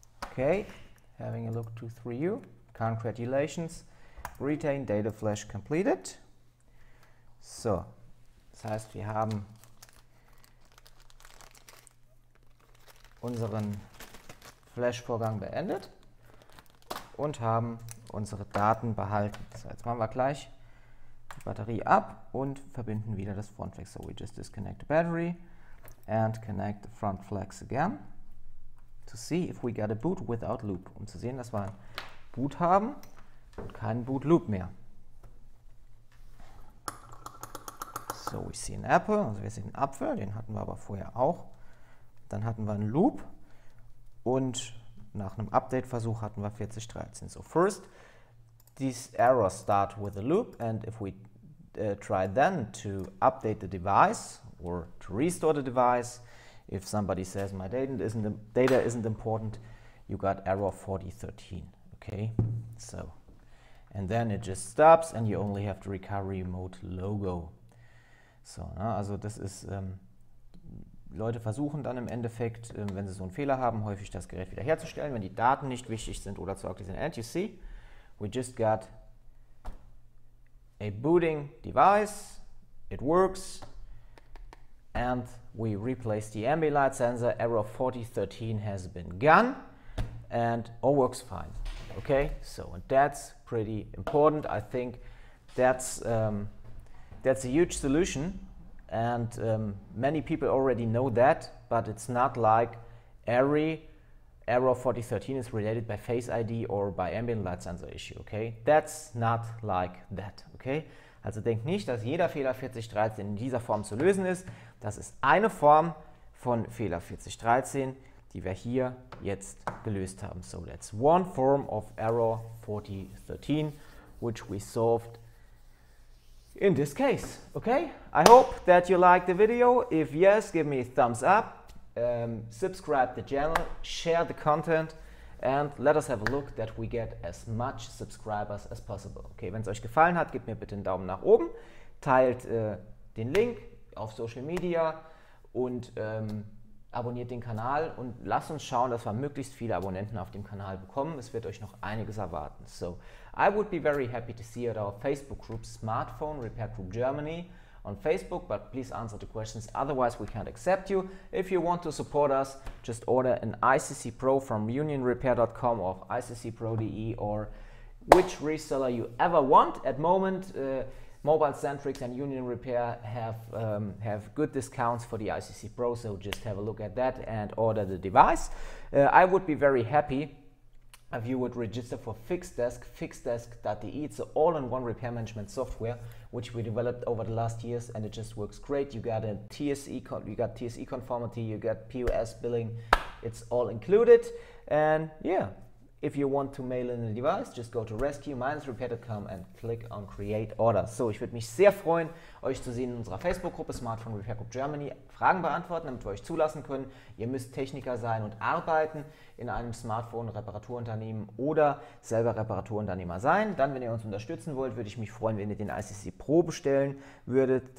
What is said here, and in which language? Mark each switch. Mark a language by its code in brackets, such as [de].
[en] Okay, having a look to through you. Congratulations. Retain data flash completed. [de] So, das heißt, wir haben unseren Flash-Vorgang beendet und haben unsere Daten behalten. So, jetzt machen wir gleich die Batterie ab und verbinden wieder das Front Flex. [en] So, we just disconnect the battery and connect the Front Flex again to see if we got a boot without loop. [de] Um zu sehen, dass wir einen Boot haben und keinen Boot Loop mehr. [en] So, we see an apple. [de] Also wir sehen einen Apfel, den hatten wir aber vorher auch. Dann hatten wir einen Loop und nach einem Update-Versuch hatten wir 4013. [en] So, first, these errors start with a loop and if we try then to update the device or to restore the device, if somebody says my data isn't important, you got error 4013. Okay, so, and then it just stops and you only have to recover remote logo. [de] So, na, also das ist... Leute versuchen dann im Endeffekt, wenn sie so einen Fehler haben, häufig das Gerät wiederherzustellen, wenn die Daten nicht wichtig sind oder zu ugly sind. [en] And you see, we just got a booting device, it works, and we replace the ambilight sensor, error 4013 has been gone, and all works fine. Okay, so and that's pretty important. I think that's a huge solution. And many people already know that, but it's not like every error 4013 is related by Face ID or by Ambient Light Sensor issue, okay? That's not like that, okay? [de] Also denkt nicht, dass jeder Fehler 4013 in dieser Form zu lösen ist. Das ist eine Form von Fehler 4013, die wir hier jetzt gelöst haben. [en] So that's one form of error 4013, which we solved in this case, okay? I hope that you liked the video. If yes, give me a thumbs up, subscribe the channel, share the content and let us have a look that we get as much subscribers as possible. [de] Okay, wenn es euch gefallen hat, gebt mir bitte einen Daumen nach oben, teilt den Link auf Social Media und abonniert den Kanal und lasst uns schauen, dass wir möglichst viele Abonnenten auf dem Kanal bekommen. Es wird euch noch einiges erwarten. [en] So, I would be very happy to see you at our Facebook group, Smartphone Repair Group Germany, on Facebook, but please answer the questions, otherwise we can't accept you. If you want to support us, just order an ICC Pro from unionrepair.com or iccpro.de or which reseller you ever want. At moment, Mobile Centrix and Union Repair have good discounts for the ICC Pro, so just have a look at that and order the device. I would be very happy if you would register for Fixdesk, fixdesk.de. It's an all-in-one repair management software which we developed over the last years and it just works great. You got a TSE, you got TSE conformity, you got POS billing, it's all included. And yeah, if you want to mail in a device, just go to rescue-repair.com and click on create order. [de] So, ich würde mich sehr freuen, euch zu sehen in unserer Facebook-Gruppe Smartphone Repair Group Germany, Fragen beantworten, damit wir euch zulassen können. Ihr müsst Techniker sein und arbeiten in einem Smartphone-Reparaturunternehmen oder selber Reparaturunternehmer sein. Dann, wenn ihr uns unterstützen wollt, würde ich mich freuen, wenn ihr den ICC Pro bestellen würdet.